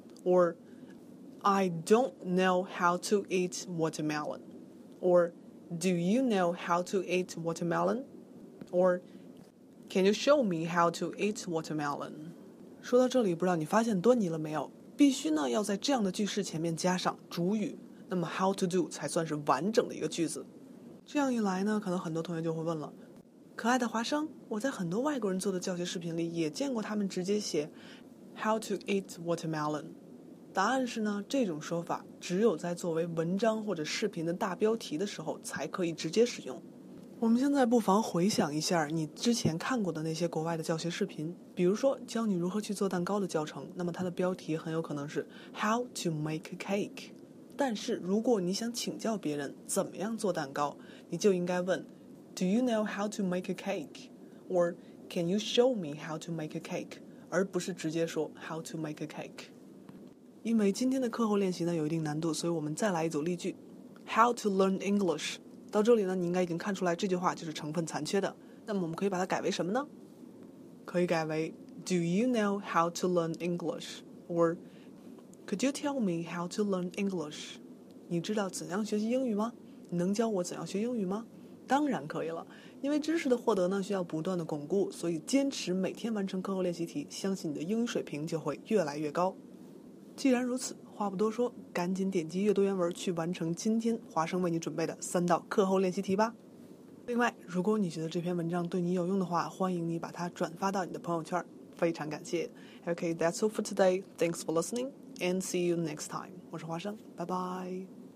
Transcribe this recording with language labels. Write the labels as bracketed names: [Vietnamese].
[English] Or I don't know how to eat watermelon. Or Do you know how to eat watermelon? Or Can you show me how to eat watermelon? [Chinese] 说到这里，不知道你发现端倪了没有，必须呢要在这样的句式前面加上主语，那么 how to do 才算是完整的一个句子。这样一来呢，可能很多同学就会问了，可爱的华生，我在很多外国人做的教学视频里也见过他们直接写 how to eat watermelon。答案是呢，这种说法只有在作为文章或者视频的大标题的时候才可以直接使用。我们现在不妨回想一下你之前看过的那些国外的教学视频，比如说教你如何去做蛋糕的教程，那么它的标题很有可能是 [English] How to make a cake。 [Chinese] 但是如果你想请教别人怎么样做蛋糕，你就应该问 [English] Do you know how to make a cake? Or Can you show me how to make a cake? [Chinese] 而不是直接说 [English] How to make a cake。 [Chinese] 因为今天的课后练习呢有一定难度，所以我们再来一组例句。 [English] How to learn English? [Chinese] 到这里呢，你应该已经看出来这句话就是成分残缺的。那么我们可以把它改为什么呢？可以改为 [English] Do you know how to learn English? Or Could you tell me how to learn English? [Chinese] 你知道怎样学习英语吗？你能教我怎样学英语吗？当然可以了，因为知识的获得呢需要不断的巩固，所以坚持每天完成课后练习题，相信你的英语水平就会越来越高。既然如此，话不多说，赶紧点击阅读原文去完成今天华生为你准备的三道课后练习题吧。另外，如果你觉得这篇文章对你有用的话，欢迎你把它转发到你的朋友圈，非常感谢。 [English] OK, that's all for today. Thanks for listening and see you next time. [Chinese] 我是华生，拜拜。